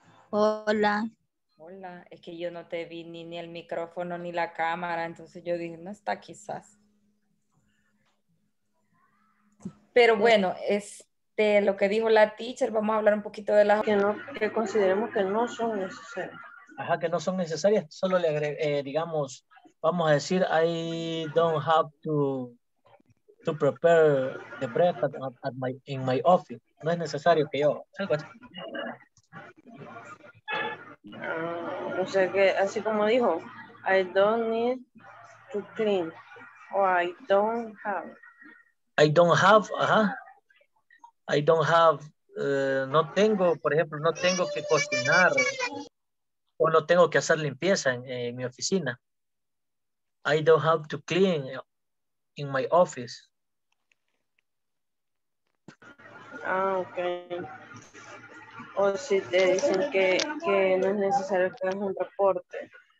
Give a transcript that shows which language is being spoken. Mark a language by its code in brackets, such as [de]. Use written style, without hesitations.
[es] Hola. Hola, es que yo no te vi ni el micrófono ni la cámara, entonces yo dije, no está quizás. Pero bueno, es... De lo que dijo la teacher, vamos a hablar un poquito de las... Que consideremos que no son necesarias. Ajá, que no son necesarias. Solo le digamos, vamos a decir, [en] I don't have to prepare the breakfast in my office. [es] No es necesario que yo... O sea, que así como dijo, [en] I don't need to clean. Or I don't have, [es] ajá. [en] I don't have, [es] no tengo, por ejemplo, no tengo que cocinar o no tengo que hacer limpieza en mi oficina. [en] I don't have to clean in my office. [es] Ah, okay. O si te dicen que no es necesario que hagas un reporte.